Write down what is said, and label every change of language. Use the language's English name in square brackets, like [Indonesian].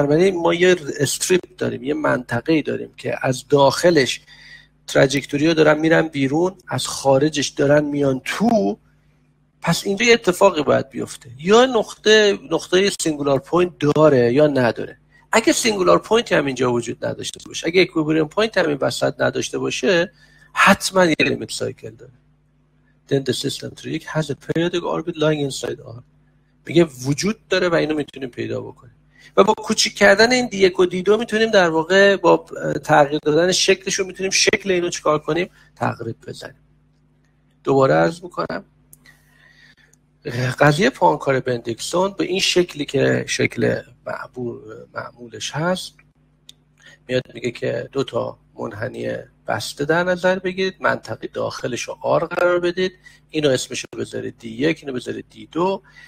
[Persian] برای ما یه استریپ داریم، یه منطقه داریم که از داخلش تراجکتوری ها دارن میرن بیرون، از خارجش دارن میان تو. پس اینجا یه اتفاقی باید بیفته، یا نقطه سینگولار پوینت داره یا نداره. اگه سینگولار پوینت هم اینجا وجود نداشته باشه، اگه اکویلیبریم پوینت هم این وسط نداشته باشه، حتما یه لیمیت سایکل داره. [English] Then the system trick has a periodic orbit lying inside R. [Persian] میگه وجود داره و اینو میتونیم پیدا بکنیم. و با کوچیک کردن این دی یک و دی دو میتونیم در واقع با تغییر دادن شکلشون میتونیم شکل اینو چیکار کنیم؟ تغییر بزنیم. دوباره عرض میکنم، قضیه پوانکار بندیکسون به این شکلی که شکل معمولش هست، میاد میگه که دو تا منحنی بسته در نظر بگیرید، منطقه داخلش رو آر قرار بدید، اینو اسمش رو بذارید دی یک، اینو بذارید دی دو.